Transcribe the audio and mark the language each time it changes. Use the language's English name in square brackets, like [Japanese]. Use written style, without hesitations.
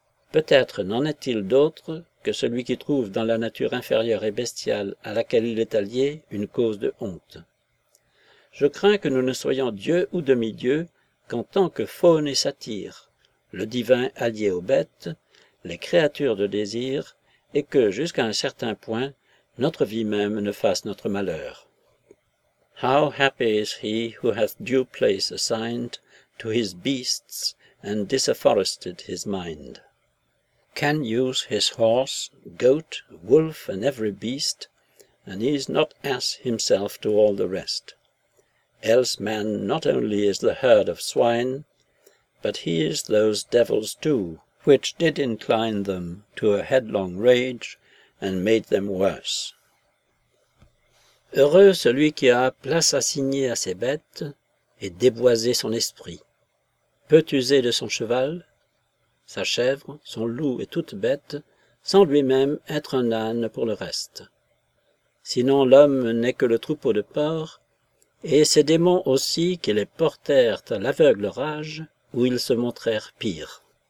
[French] Peut-être n'en est-il d'autre que celui qui trouve dans la nature inférieure et bestiale à laquelle il est allié une cause de honte. Je crains que nous ne soyons Dieu ou demi-Dieu qu'en tant que faune et satyre, le divin allié aux bêtes, les créatures de désir, et que, jusqu'à un certain point, notre vie même ne fasse notre malheur. [English] How happy is he who hath due place assigned to his beasts and disafforested his mind? Can use his horse, goat, wolf, and every beast, and is not ass himself to all the rest. Else man not only is the herd of swine, but he is those devils too, which did incline them to a headlong rage and made them worse. [French] Heureux celui qui a place assignée à ses bêtes et déboisé son esprit, peut user de son cheval, sa chèvre, son loup et toute bête, sans lui-même être un âne pour le reste. Sinon l'homme n'est que le troupeau de porcs, et ces démons aussi qui les portèrent à l'aveugle rage, où ils se montrèrent pires.